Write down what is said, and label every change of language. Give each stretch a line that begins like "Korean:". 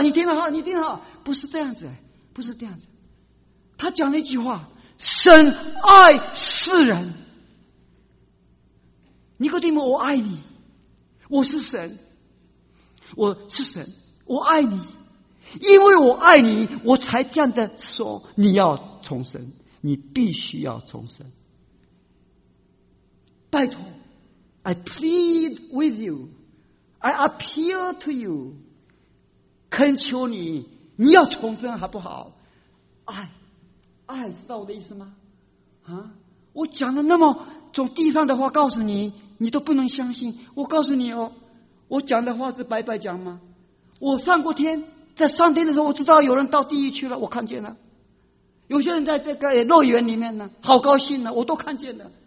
Chinese: 你听了哈，你听了，不是这样子。不是这样子，他讲了一句话：神爱世人。尼哥底母，我爱你，我是神，我是神，我爱你，因为我爱你，我才这样的说，你要重生，你必须要重生。拜托 ，
English: I plead with you, I appeal to you,
Chinese: 恳求你，你要重生好不好？爱，知道我的意思吗？啊，我讲了那么从地上的话告诉你，你都不能相信。我告诉你哦，我讲的话是白白讲吗？我上过天，在上天的时候，我知道有人到地狱去了，我看见了。有些人在这个乐园里面呢，好高兴呢，我都看见了。